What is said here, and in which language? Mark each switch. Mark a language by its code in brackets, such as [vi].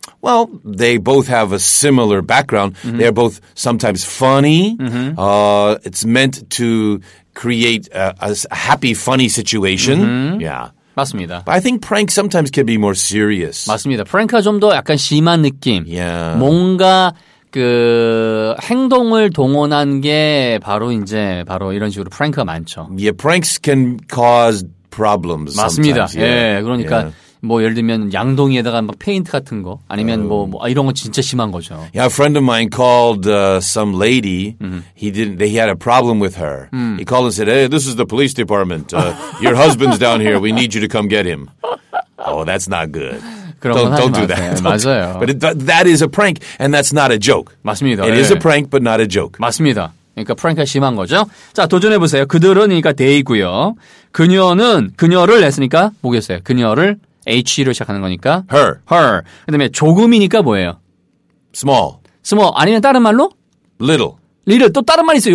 [en] Well, they both have a similar background. Mm-hmm. They're both sometimes funny. Mm-hmm. It's meant to create a happy, funny situation. Mm-hmm. Yeah. [ko] 맞습니다. [en] But I think prank sometimes can be more serious. [ko] 맞습니다. Prank가 좀 더 약간 심한 느낌. [en] Yeah. [ko] 뭔가 그 행동을 동원한 게 바로 이제 바로 이런 식으로 prank가 많죠. [en] Yeah, pranks can cause problems. [ko] 맞습니다. [en] Sometimes. Yeah. [ko] 예, 그러니까. [en] Yeah. [ko] 뭐 예를 들면 양동이에다가 막 페인트 같은 거 아니면 뭐 이런 거 진짜 심한 거죠. [en] Yeah, a friend of mine called some lady. He had a problem with her. He called and said, "Hey, this is the police department. Your husband's down here. We need you to come get him." Oh, that's not good. Don't do that. [ko] 맞아요. [en] But that is a prank and that's not a joke. [ko] 맞습니다. [en] It is a prank but not a joke. [ko] 맞습니다. 그러니까 프랭크가 심한 거죠. 자, 도전해 보세요. 그들은이니까 they고요. 그녀는 그녀를 했으니까 뭐겠어요? 그녀를 H로 시작하는 거니까 [en] her. [ko] 그다음에 조금이니까 뭐예요? [en] small [ko] 아니면 다른 말로 [en] little [ko] 또 다른 말 있어요.